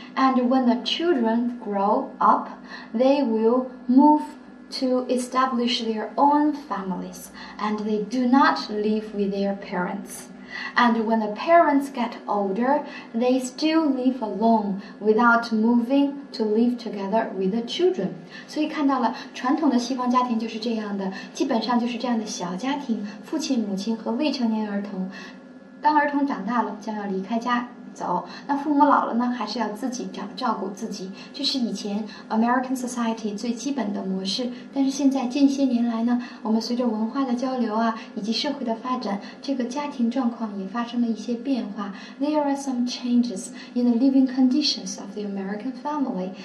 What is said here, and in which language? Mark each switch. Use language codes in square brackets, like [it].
[en] And when the children grow up, they will move to establish their own families, and they do not live with their parents. And when the parents get older, they still live alone without moving to live together with the children. [zh] 所以看到了传统的西方家庭就是这样的，基本上就是这样的小家庭，父亲母亲和未成年儿童，当儿童长大了将要离开家走，那父母老了呢还是要自己照顾自己，这是以前 [en] American society [zh] 最基本的模式。但是现在近些年来呢，我们随着文化的交流啊以及社会的发展，这个家庭状况也发生了一些变化。 [en] There are some changes in the living conditions of the American family.